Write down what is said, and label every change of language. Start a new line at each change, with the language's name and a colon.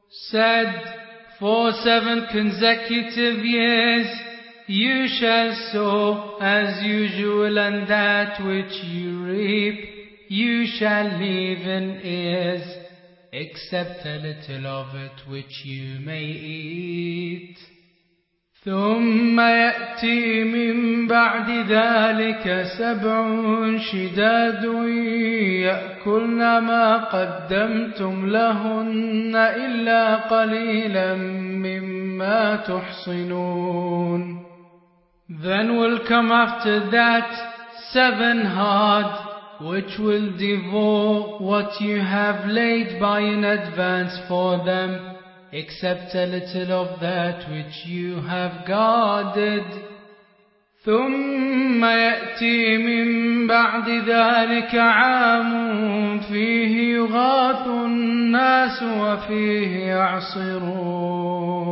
English: Said, for seven consecutive years you shall sow as usual, and that which you reap you shall leave in ears, except a little of it which you may eat.
Arabic: ثم يأتي من بعد ذلك سبع شداد يأكلن ما قدمتم لهن إلا قليلا مما تحصنون.
English: Then will come after that seven hard, which will devour what you have laid by in advance for them, except a little of that which you have guarded.
Arabic: ثم يأتي من بعد ذلك عام فيه يغاث الناس وفيه يعصرون.